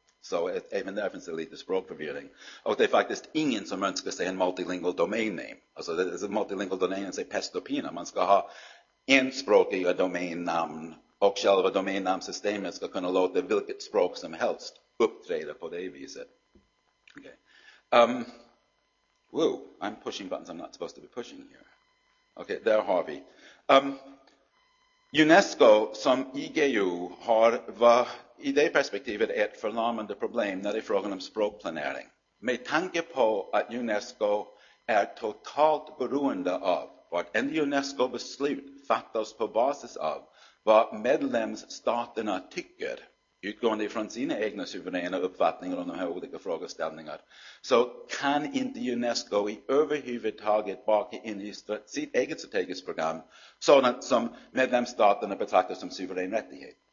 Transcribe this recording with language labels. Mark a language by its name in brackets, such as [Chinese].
[Swedish] Så även där finns det lite språkförvirring. Och det är faktiskt ingen som önskar sig en multilingual domain name. Alltså multilingual domain name är pest och pina. Man ska ha en språk i ett domännamn och själva domännamnsystemet ska kunna låta vilket språk som helst uppträda på det viset. [English] Okay. I'm pushing buttons I'm not supposed to be pushing here. Okay, [Swedish] där har vi. UNESCO som IGU har i det perspektivet ett förlamande problem när det är frågan om språkplanering. Med tanke på att UNESCO är totalt beroende av vad en UNESCO-beslut fattas på basis av vad medlemsstaterna tycker utgående från sina egna suveräna uppfattningar om de här olika frågeställningarna, så kan inte UNESCO i överhuvudtaget baka in i sitt eget strategiskt program sådant som medlemsstaterna betraktar som suverän rättighet.